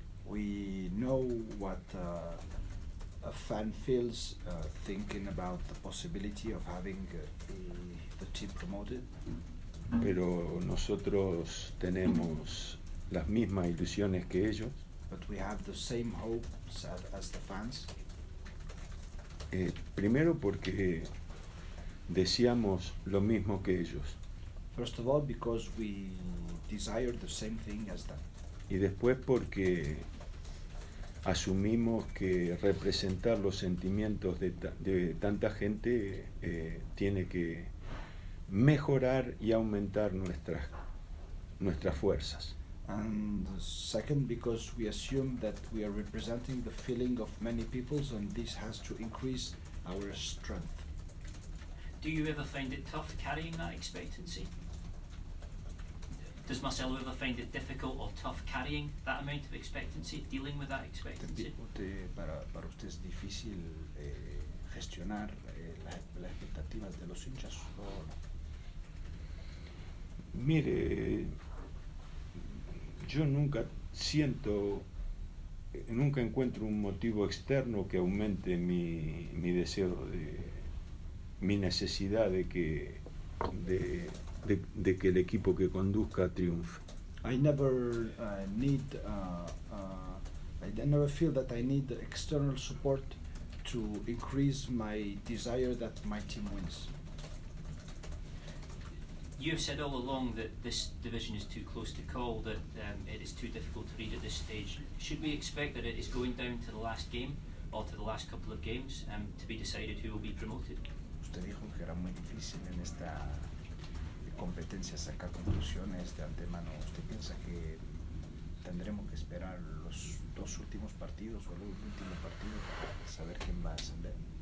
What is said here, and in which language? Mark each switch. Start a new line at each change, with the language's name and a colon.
English: We know what a fan feels thinking about the possibility of having the team promoted.
Spanish: Pero nosotros tenemos las mismas ilusiones que ellos.
English: But we have the same hopes as the fans.
Spanish: Primero porque deseamos lo mismo que ellos.
English: First of all, because we desire the same thing as them.
Spanish: Y después porque asumimos que representar los sentimientos de tanta gente tiene que mejorar y aumentar nuestras fuerzas.
English: And second, because we assume that we are representing the feeling of many peoples, and this has to increase our strength. Do you ever find it tough carrying that expectancy? Does Marcelo ever find it difficult or tough carrying that amount of expectancy, dealing with that expectancy?
Spanish: Para usted es difícil gestionar las expectativas de los hinchas. Mire, yo nunca siento, nunca encuentro un motivo externo que aumente mi deseo de mi necesidad de que el equipo que conduzca triunfe.
English: I never I never feel that I need external support to increase my desire that my team wins. You've said all along that this division is too close to call, that it is too difficult to read at this stage. Should we expect that it is going down to the last game or to the last couple of games to be decided who will be promoted?
Spanish: Usted dijo que era muy difícil en esta competencia sacar conclusiones de antemano. ¿Usted piensa que tendremos que esperar los dos últimos partidos o el último partido para saber quién va a ascender?